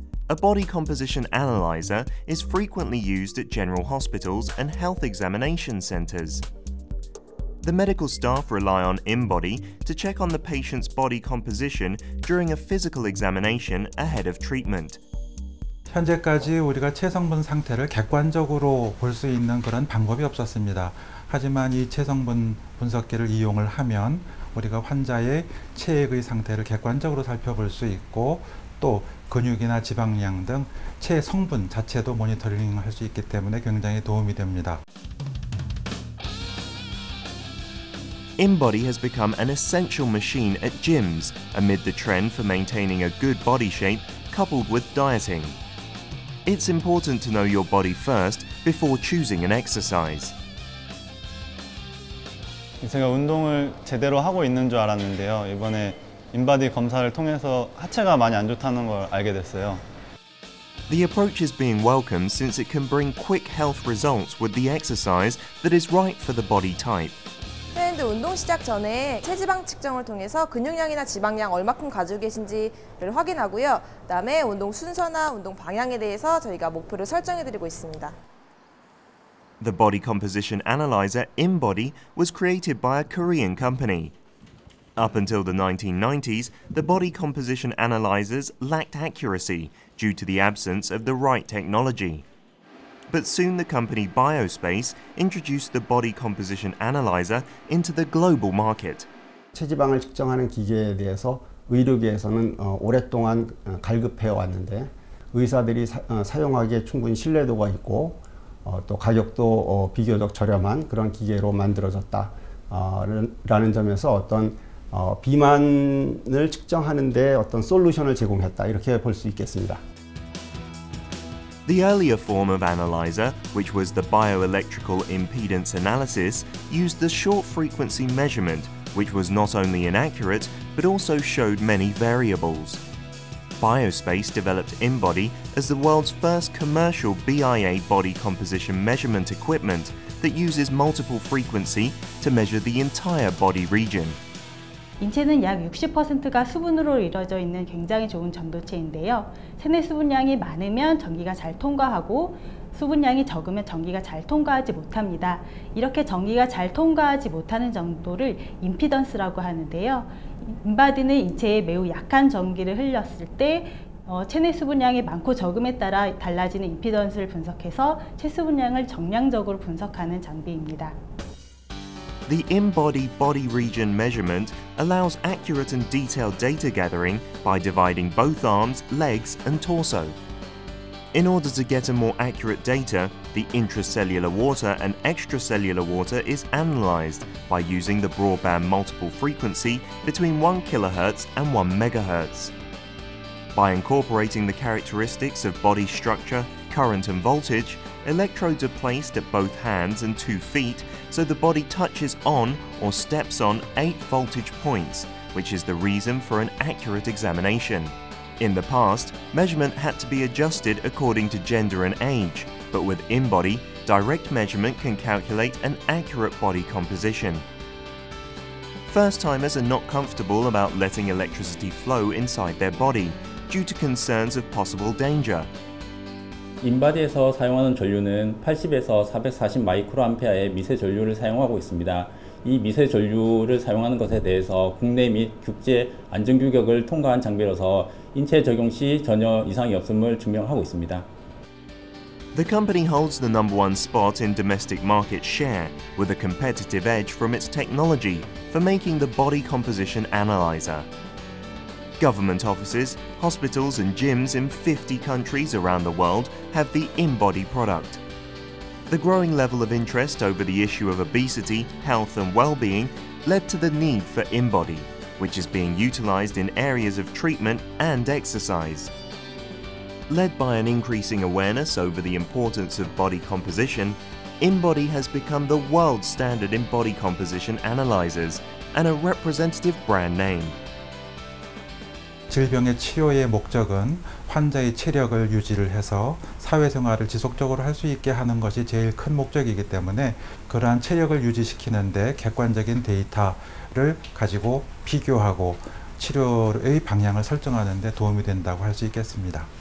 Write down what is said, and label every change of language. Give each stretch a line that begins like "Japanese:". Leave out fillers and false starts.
English: A body composition analyzer is frequently used at general hospitals and health examination centers. The medical staff rely on INBODY to check on the patient's body composition during a physical examination ahead of treatment.
Korean: 현재까지 우리가 체성분 상태를 객관적으로 볼 수 있는 그런 방법이 없었습니다. 하지만 이 체성분 분석기를 이용을 하면 우리가 환자의 체액의 상태를 객관적으로 살펴볼 수 있고 또 근육이나 지방량 등 체성분 자체도 모니터링할 수 있기 때문에 굉장히 도움이 됩니다.
English: INBODY has become an essential machine at gyms amid the trend for maintaining a good body shape coupled with dieting. It's important to know your body first before choosing an exercise.
Korean: 제가 운동을 제대로 하고 있는 줄 알았는데요. 이번에 인바디 검사를 통해서 하체가 많이 안 좋다는 걸 알게 됐어요.
English: The approach is being welcomed since it can bring quick health results with the exercise that is right for the body type.
Korean: 트렌드 운동 시작 전에 체지방 측정을 통해서 근육량이나 지방량 얼마큼 가지고 계신지를 확인하고요. 그다음에 운동 순서나 운동 방향에 대해서 저희가 목표를 설정해 드리고 있습니다.
English: The body composition analyzer INBODY was created by a Korean company. Up until the 1990s, the body composition analyzers lacked accuracy due to the absence of the right technology. But soon the company Biospace introduced the body composition analyzer into the global market.
Korean: 체지방을 측정하는 기계에 대해서 의료계에서는 오랫동안 갈급해 왔는데 의사들이 사용하기에 충분히 신뢰도가 있고 또 가격도 비교적 저렴한 그런 기계로 만들어졌다라는 점에서 어떤 비만을 측정하는 데 어떤 솔루션을 제공했다 이렇게 볼 수 있겠습니다.
English: The earlier form of analyzer, which was the bioelectrical impedance analysis, used the short frequency measurement, which was not only inaccurate, but also showed many variables. Biospace developed INBODY as the world's first commercial BIA body composition measurement equipment that uses multiple frequency to measure the entire body region.
Korean: 인체는 약 60%가 수분으로 이루어져 있는 굉장히 좋은 전도체인데요. 체내 수분량이 많으면 전기가 잘 통과하고 수분량이 적으면 전기가 잘 통과하지 못합니다. 이렇게 전기가 잘 통과하지 못하는 정도를 임피던스라고 하는데요. 인바디는 인체에 매우 약한 전기를 흘렸을 때 체내 수분량이 많고 적음에 따라 달라지는 임피던스를 분석해서 체수분량을 정량적으로 분석하는 장비입니다.
English: The INBODY body region measurement allows accurate and detailed data gathering by dividing both arms, legs and torso. In order to get a more accurate data, the intracellular water and extracellular water is analyzed by using the broadband multiple frequency between 1 kHz and 1 MHz. By incorporating the characteristics of body structure, current and voltage, electrodes are placed at both hands and 2 feet so the body touches on or steps on 8 voltage points, which is the reason for an accurate examination. In the past, measurement had to be adjusted according to gender and age, but with INBODY, direct measurement can calculate an accurate body composition. First-timers are not comfortable about letting electricity flow inside their body due to concerns of possible danger.
Korean: 인바디에서 사용하는 전류는 80에서 440 마이크로암페어의 미세 전류를 사용하고 있습니다. 이 미세 전류를 사용하는 것에 대해서 국내 및 국제 안전 규격을 통과한 장비로서 인체에 적용 시 전혀 이상이 없음을 증명하고 있습니다.
English: The company holds the number one spot in domestic market share with a competitive edge from its technology for making the body composition analyzer. Government offices, hospitals and gyms in 50 countries around the world have the INBODY product. The growing level of interest over the issue of obesity, health and well-being led to the need for INBODY, which is being utilized in areas of treatment and exercise. Led by an increasing awareness over the importance of body composition, INBODY has become the world standard in body composition analyzers and a representative brand name.
Korean: 질병의 치료의 목적은 환자의 체력을 유지를 해서 사회생활을 지속적으로 할 수 있게 하는 것이 제일 큰 목적이기 때문에 그러한 체력을 유지시키는 데 객관적인 데이터를 가지고 비교하고 치료의 방향을 설정하는 데 도움이 된다고 할 수 있겠습니다.